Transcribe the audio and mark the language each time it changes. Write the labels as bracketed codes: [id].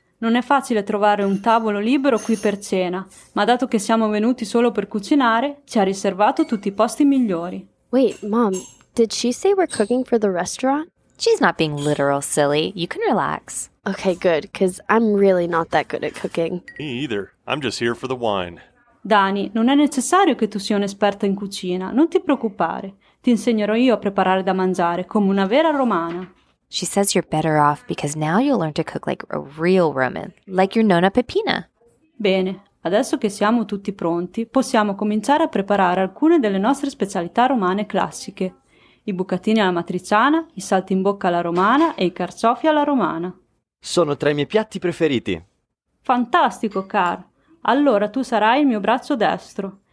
[it] Non è facile trovare un tavolo libero qui per cena, ma dato che siamo venuti solo per cucinare, ci ha riservato tutti i posti migliori. [en] Wait, Mom, did she say we're cooking for the restaurant? She's not being literal, silly. You can relax. Okay, good, because I'm really not that good at cooking. Me either. I'm just here for the wine. [it] Dani, non è necessario che tu sia un'esperta in cucina, non ti preoccupare. Ti insegnerò io a preparare da mangiare, come una vera romana. [en] She says you're better off because now you'll learn to cook like a real Roman, like your nonna Peppina. [it] Bene, adesso che siamo tutti pronti, possiamo cominciare a preparare alcune delle nostre specialità romane classiche. I bucatini alla matriciana, i salti in bocca alla romana e i carciofi alla romana. Sono tra i miei piatti preferiti. Fantastico, Car. Allora tu sarai il mio braccio destro.